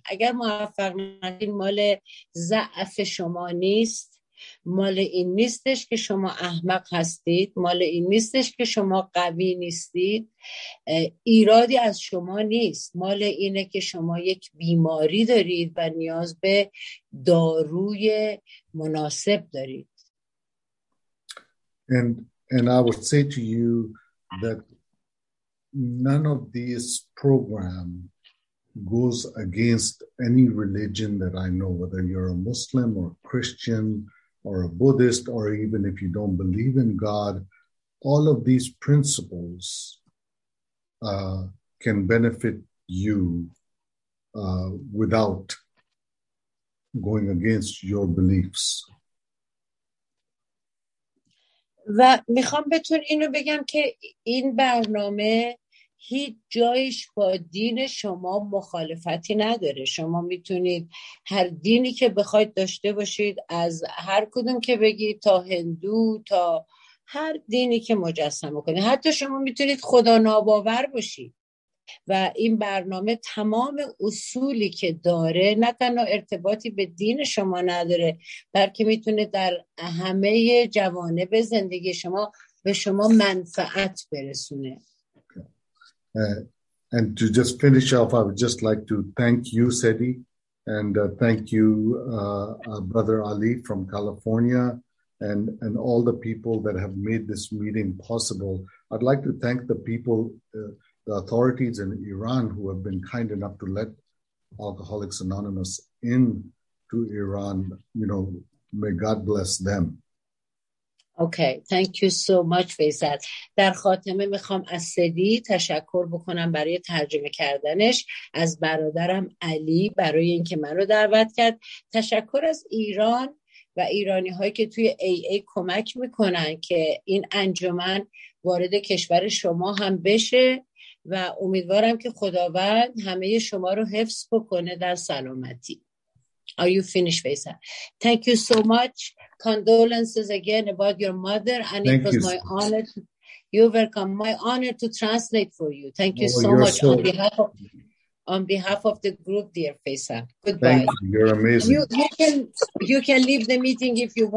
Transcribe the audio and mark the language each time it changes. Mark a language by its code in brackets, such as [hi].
[fa] اگر موفق نشدین مال ضعف شما نیست، مال این نیستش که شما احمق هستید، مال این نیستش که شما قوی نیستید، ایرادی از شما نیست، مال اینه که شما یک بیماری دارید و نیاز به داروی مناسب دارید. [en] And I would say to you that none of this program goes against any religion that I know, whether you're a Muslim or a Christian or a Buddhist, or even if you don't believe in God, all of these principles can benefit you without going against your beliefs. [fa] و میخوام بهتون اینو بگم که این برنامه هیچ جایش با دین شما مخالفتی نداره. شما میتونید هر دینی که بخواید داشته باشید، از هر کدوم که بگید، تا هندو، تا هر دینی که مجسمه کنید، حتی شما میتونید خدا ناباور باشید، و این برنامه تمام اصولی که داره نه تنها ارتباطی به دین شما نداره، بلکه میتونه در همه جوانب زندگی شما به شما منفعت برسونه. [en] And to just finish off, I would just like to thank you, Sedi, and thank you, Brother Ali from California, and all the people that have made this meeting possible. I'd like to thank the people, the authorities in Iran who have been kind enough to let Alcoholics Anonymous in to Iran. You know, may God bless them. Okay, thank you so much, Faisal. [fa] در خاتمه میخوام از سدی تشکر بکنم برای ترجمه کردنش، از برادرم علی برای اینکه من رو دعوت کرد، تشکر از ایران و ایرانی هایی که توی AA کمک میکنن که این انجمن وارد کشور شما هم بشه، و امیدوارم که خداوند همه شما رو حفظ بکنه در سلامتی. [en] Are you finished, Faisa? Thank you so much. Condolences again about your mother. And thank it was you. My honor. You're welcome. My honor to translate for you. Thank you so much so... on behalf of the group, dear Faisa. Goodbye. Thank you. You're amazing. You can leave the meeting if you want.